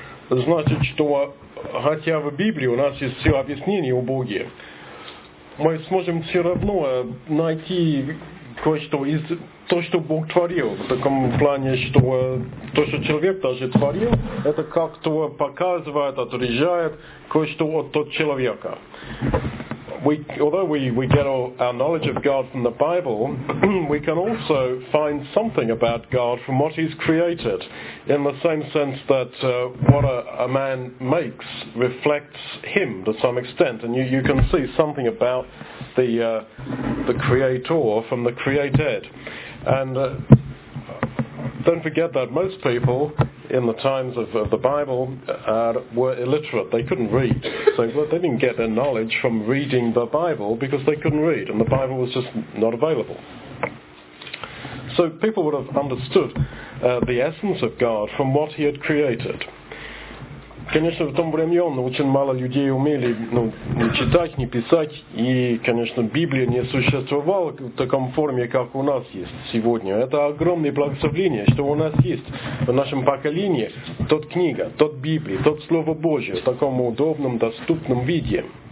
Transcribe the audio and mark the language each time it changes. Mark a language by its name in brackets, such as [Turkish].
[Russian] Значит, что хотя в Библии у нас есть все объяснения о Боге, мы сможем все равно найти кое-что из того, что Бог творил, в таком плане, что то, что человек даже творил, это как-то показывает, отражает кое-что от того человека. [English] Although we get all our knowledge of God from the Bible, we can also find something about God from what He's created, in the same sense that what a man makes reflects him to some extent, and you can see something about the Creator from the created. And don't forget that most people in the times of the Bible were illiterate. They couldn't read. So they didn't get their knowledge from reading the Bible because they couldn't read, and the Bible was just not available. So people would have understood the essence of God from what He had created. [Russian] Конечно, в том времени очень мало людей умели ни читать, ни писать, и, конечно, Библия не существовала в таком форме, как у нас есть сегодня. Это огромное благословение, что у нас есть в нашем поколении тот книга, тот Библия, тот Слово Божие в таком удобном, доступном виде.